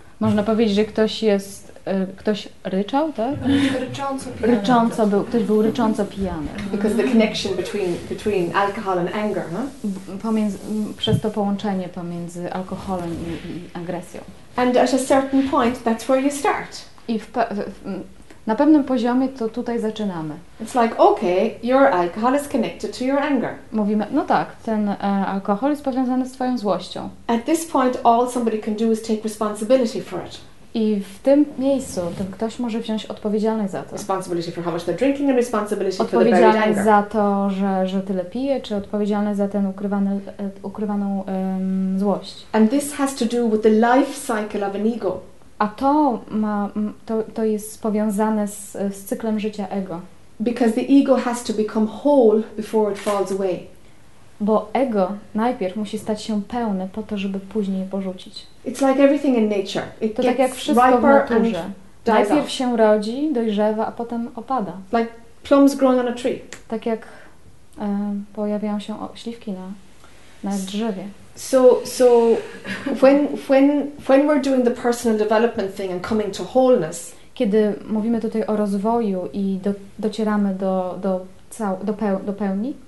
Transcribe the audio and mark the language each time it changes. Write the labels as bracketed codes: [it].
[pl] Można powiedzieć, że ktoś jest... Ktoś ryczał, tak? Rycząco pijany. Rycząco był, ktoś był rycząco pijany. [en] Because the connection between alcohol and anger, huh? [pl] Przez to połączenie pomiędzy alkoholem i agresją. [en] And at a certain point, that's where you start. [pl] I na pewnym poziomie to tutaj zaczynamy. [en] It's like, okay, your alcohol is connected to your anger. [pl] Mówimy, no tak, ten alkohol jest powiązany z twoją złością. [en] At this point, all somebody can do is take responsibility for it. [pl] I w tym miejscu ten ktoś może wziąć odpowiedzialność za to. [en] Responsibility for how much they're drinking and responsibility for the buried anger. [pl] Odpowiedzialność za to, że tyle pije, czy odpowiedzialność za ten ukrywaną złość. [en] And this has to do with the life cycle of an ego. [pl] A to ma, to jest powiązane z cyklem życia ego. [en] Because the ego has to become whole before it falls away. [pl] Bo ego najpierw musi stać się pełne po to, żeby później je porzucić. [en] It's like everything in nature. [pl] To tak jak wszystko w naturze. Najpierw się rodzi, dojrzewa, a potem opada. [en] Like plums growing on a tree. [pl] Tak jak pojawiają się śliwki na drzewie. [en] So when we're doing the personal development thing and coming to wholeness. [pl] Kiedy mówimy tutaj o rozwoju i docieramy do pełni.